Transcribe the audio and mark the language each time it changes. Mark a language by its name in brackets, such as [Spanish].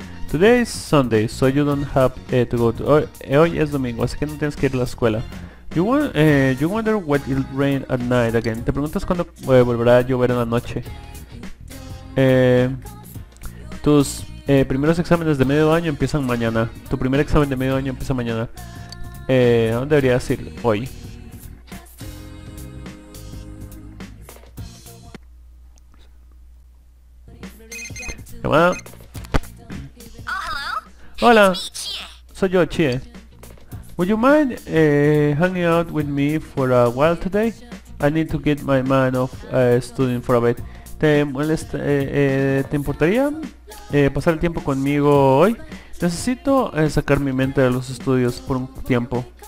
[English] Today is Sunday, so you don't have to go to... [Spanish] Hoy es domingo, así que no tienes que ir a la escuela. [English] You wonder when it'll rain at night again. [Spanish] Te preguntas cuándo volverá a llover en la noche. Tus... primeros exámenes de medio año empiezan mañana. Tu primer examen de medio año empieza mañana. ¿Dónde deberías ir hoy? Llamada. Hola. Soy yo, Chie. [English] Would you mind hanging out with me for a while today? I need to get my mind off studying for a bit. [Spanish] ¿Te molesta? ¿Te importaría pasar el tiempo conmigo hoy? Necesito sacar mi mente de los estudios por un tiempo.